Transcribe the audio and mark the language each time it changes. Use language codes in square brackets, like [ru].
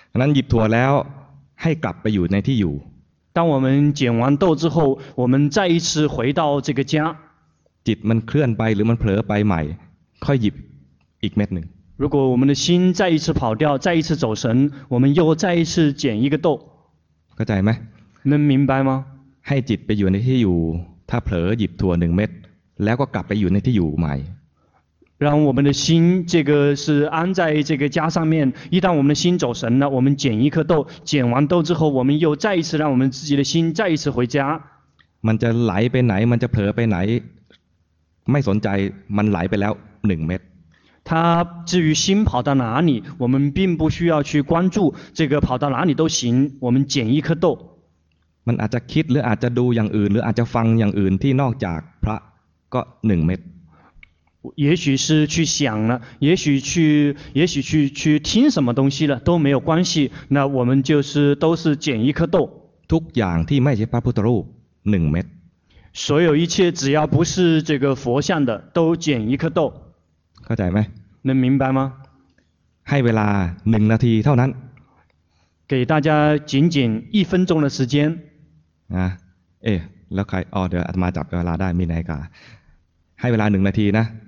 [th] นั้นหยิบถั่วแล้วให้กลับไปอยู่ในที่อยู่ [zh] 当我们捡完豆之后我们再一次回到这个家 [th] จิตมันเคลื่อนไปหรือมันเผลอไปใหม่ค่อยหยิบอีกเม็ดหนึ่ง [zh] 如果我们的心再一次跑掉再一次走神我们又再一次捡一个豆 [th] เข้าใจไหม [zh] 能明白吗 [th] ให้จิตไปอยู่ในที่อยู่ถ้าเผลอหยิบถั่ว1เม็ดแล้วก็กลับไปอยู่ในที่อยู่ใหม่ [zh] 让我们的心这个是安在这个家上面一旦我们的心走神了我们捡一颗豆捡完豆之后我们又再一次让我们自己的心再一次回家 [th] มันจะไหลไปไหนมันจะเผลอไปไหนไม่สนใจมันไหลไปแล้ว1เม็ด [zh] 它至于心跑到哪里我们并不需要去关注这个跑到哪里都行我们捡一颗豆 [th] มันอาจจะคิดหรืออาจจะดูอย่างอื่นหรืออาจจะฟังอย่างอื่นที่นอกจากพระก็1เม็ด [zh] 也许是去想了也许去听什么东西了都没有关系那我们就是都是捡一颗豆 [th] ทุกอย่างที่ไม่ใช่พระพุทธรูป1เม็ด [zh] 所有一切只要不是这个佛像的都捡一颗豆 [th] เข้าใจไหม [zh] 能明白吗 [th] ให้เวลา1นาทีเท่านั้น [zh] 给大家仅仅一分钟的时间 [th] เอ๊ะแล้วใครอ๋อเดี๋ยวอาตมาจับเวลาได้มีนาฬิกาให้เวลา1นาทีนะ